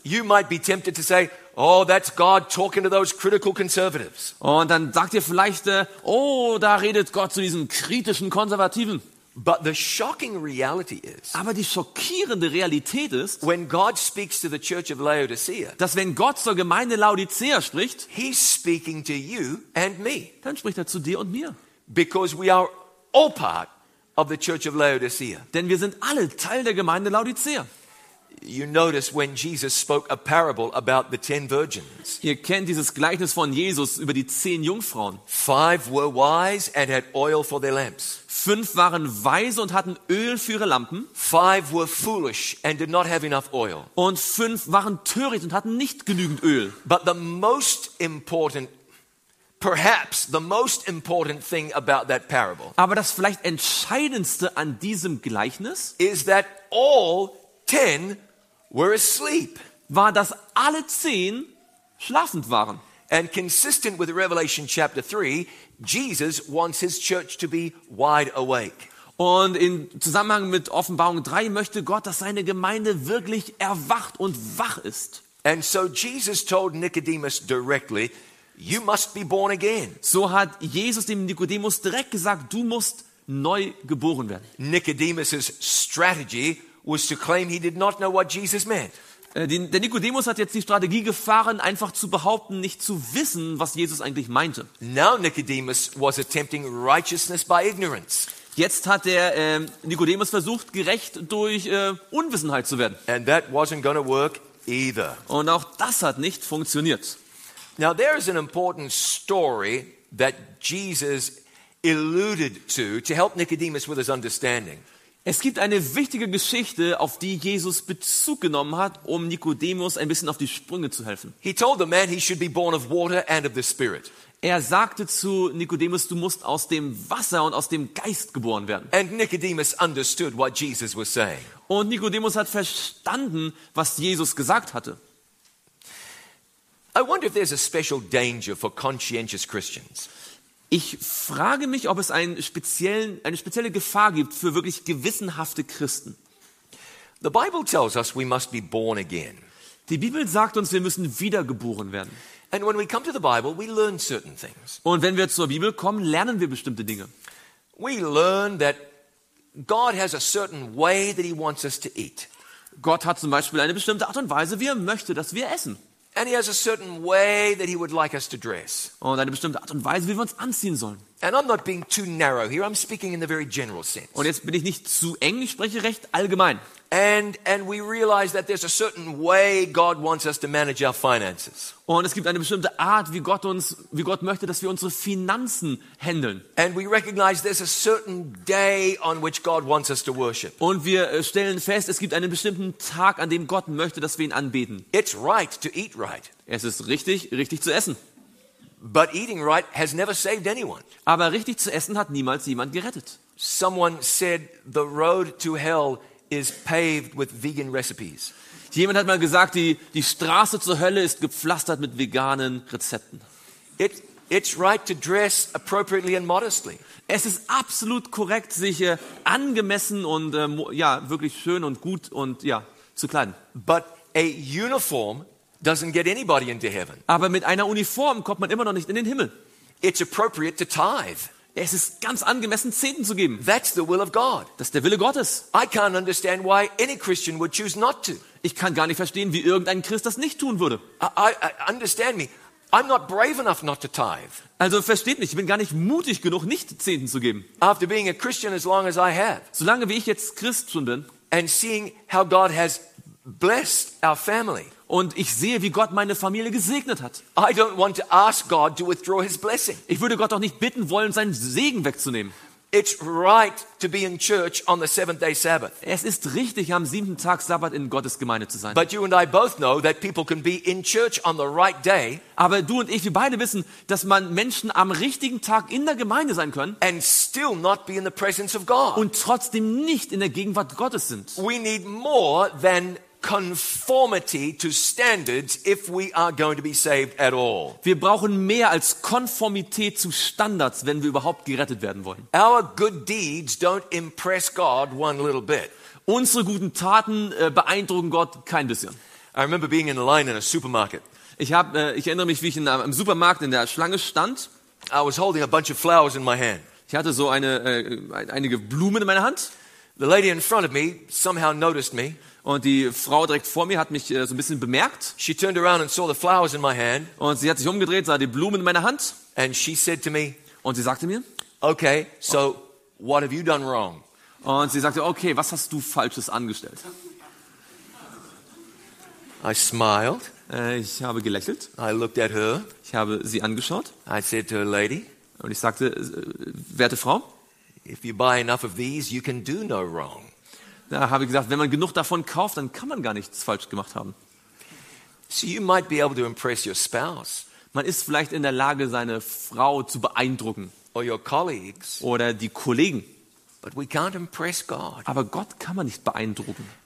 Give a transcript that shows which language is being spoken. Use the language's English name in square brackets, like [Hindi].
[English] you might be tempted to say, oh, that's God talking to those critical conservatives. [German] Und dann sagt ihr vielleicht, oh, da redet Gott zu diesen kritischen Konservativen. [English] But the shocking reality is, [German] aber die schockierende Realität ist, [English] when God speaks to the church of Laodicea, [German] dass wenn Gott zur Gemeinde Laodicea spricht, [English] he's speaking to you and me. [German] Dann spricht er zu dir und mir. [English] Because we are all part of the church of Laodicea. [German] Denn wir sind alle Teil der Gemeinde Laodicea. [English] You notice when Jesus spoke a parable about the 10 virgins. [German] Ihr kennt dieses Gleichnis von Jesus über die 10 Jungfrauen. [English] 5 were wise and had oil for their lamps. [German] 5 waren weise und hatten Öl für ihre Lampen. [English] 5 were foolish and did not have enough oil. [German] Und 5 waren töricht und hatten nicht genügend Öl. [English] But the most important, perhaps the most important thing about that parable. [German] Aber das vielleicht entscheidendste an diesem Gleichnis [English] is that all 10 were asleep. [German] War, dass alle 10 schlafend waren. [English] And consistent with Revelation chapter 3, Jesus wants his church to be wide awake. [German] Und in Zusammenhang mit Offenbarung 3 möchte Gott, dass seine Gemeinde wirklich erwacht und wach ist. [English] And so Jesus told Nicodemus directly, you must be born again. [German] So hat Jesus dem Nikodemus direkt gesagt, du musst neu geboren werden. [English] Nicodemus's strategy was to claim he did not know what Jesus meant. [German] Der Nikodemus hat jetzt die Strategie gefahren, einfach zu behaupten, nicht zu wissen, was Jesus eigentlich meinte. [English] Now Nicodemus was attempting righteousness by ignorance. [German] Jetzt hat der Nikodemus versucht, gerecht durch Unwissenheit zu werden. [English] And that wasn't gonna work either. [German] Und auch das hat nicht funktioniert. [English] Now there is an important story that Jesus alluded to help Nicodemus with his understanding. [German] Es gibt eine wichtige Geschichte, auf die Jesus Bezug genommen hat, um Nikodemus ein bisschen auf die Sprünge zu helfen. [English] He told the man he should be born of water and of the Spirit. [German] Er sagte zu Nikodemus, du musst aus dem Wasser und aus dem Geist geboren werden. [English] And Nicodemus understood what Jesus was saying. [German] Und Nikodemus hat verstanden, was Jesus gesagt hatte. [English] I wonder if there's a special danger for conscientious Christians. [German] Ich frage mich, ob es eine spezielle Gefahr gibt für wirklich gewissenhafte Christen. [English] The Bible tells us we must be born again. [German] Die Bibel sagt uns, wir müssen wiedergeboren werden. [English] And when we come to the Bible, we learn certain things. [German] Und wenn wir zur Bibel kommen, lernen wir bestimmte Dinge. [English] We learn that God has a certain way that he wants us to eat. [German] Gott hat zum Beispiel eine bestimmte Art und Weise, wie er möchte, dass wir essen. [English] And he has a certain way that he would like us to dress. [German] Und eine bestimmte Art und Weise, wie wir uns anziehen sollen. [English] And I'm not being too narrow here. I'm speaking in the very general sense. [German] Und jetzt bin ich nicht zu eng, ich spreche recht allgemein. [English] And we realize that there's a certain way God wants us to manage our finances. [German] Und es gibt eine bestimmte Art, wie Gott möchte, dass wir unsere Finanzen handeln. [English] And we recognize there's a certain day on which God wants us to worship. [German] Und wir stellen fest, es gibt einen bestimmten Tag, an dem Gott möchte, dass wir ihn anbeten. [English] It's right to eat right. [German] Es ist richtig, richtig zu essen. [English] But eating right has never saved anyone. [German] Aber richtig zu essen hat niemals jemand gerettet. [English] Someone said the road to hell is paved with vegan recipes. [German] Jemand hat mal gesagt, die Straße zur Hölle ist gepflastert mit veganen Rezepten. [English] It's right to dress appropriately and modestly. [German] Es ist absolut korrekt, sich angemessen und wirklich schön und gut und zu kleiden. [English] But a uniform doesn't get anybody into heaven. [German] Aber mit einer Uniform kommt man immer noch nicht in den Himmel. [English] It's appropriate to tithe. [German] Es ist ganz angemessen, Zehnten zu geben. [English] That's the will of God. [German] Das ist der Wille Gottes. [English] I can't understand why any Christian would choose not to. [German] Ich kann gar nicht verstehen, wie irgendein Christ das nicht tun würde. [English] I understand me. I'm not brave enough not to tithe. [German] Also versteht mich, ich bin gar nicht mutig genug, nicht Zehnten zu geben. [English] After being a Christian as long as I have. [German] Solange wie ich jetzt Christ schon bin. [English] And seeing how God has blessed our family. [German] Und ich sehe, wie Gott meine Familie gesegnet hat. [English] I don't want to ask God to withdraw his blessing. [German] Ich würde Gott doch nicht bitten wollen, seinen Segen wegzunehmen. [English] It's right to be in church on the seventh day Sabbath. [German] Es ist richtig, am siebten Tag Sabbat in Gottes Gemeinde zu sein. [English] But you and I both know that people can be in church on the right day. [German] Aber du und ich, wir beide wissen, dass man Menschen am richtigen Tag in der Gemeinde sein können. [English] And still not be in the presence of God. [German] Und trotzdem nicht in der Gegenwart Gottes sind. [English] We need more than conformity to standards if we are going to be saved at all. [German] Wir brauchen mehr als Konformität zu Standards, wenn wir überhaupt gerettet werden wollen. [English] Our good deeds don't impress God one little bit. [German] Unsere guten Taten beeindrucken Gott kein bisschen. [English] I remember being in line in a supermarket. [German] Ich erinnere mich, wie ich im Supermarkt in der Schlange stand. [English] I was holding a bunch of flowers in my hand. [German] Ich hatte so einige Blumen in meiner Hand. [English] The lady in front of me somehow noticed me. [German] Und die Frau direkt vor mir hat mich so ein bisschen bemerkt. [English] She turned around and saw the flowers in my hand. [German] Und sie hat sich umgedreht, sah die Blumen in meiner Hand. [English] And she said to me. [German] Und sie sagte mir. [English] Okay, so what have you done wrong? [German] Und sie sagte, okay, was hast du Falsches angestellt? [English] I smiled. [German] Ich habe gelächelt. [English] I looked at her. [German] Ich habe sie angeschaut. [English] I said to her, lady. [German] Und ich sagte, werte Frau. [English] If you buy enough of these, you can do no wrong. [German] Da habe ich gesagt, wenn man genug davon kauft, dann kann man gar nichts falsch gemacht haben. [English] So you might be able to impress your spouse. [German] Man ist vielleicht in der Lage, seine Frau zu beeindrucken. [English] Or your colleagues. [German] Oder die Kollegen. [English] But we can't impress God. [German] Aber Gott kann man nicht beeindrucken.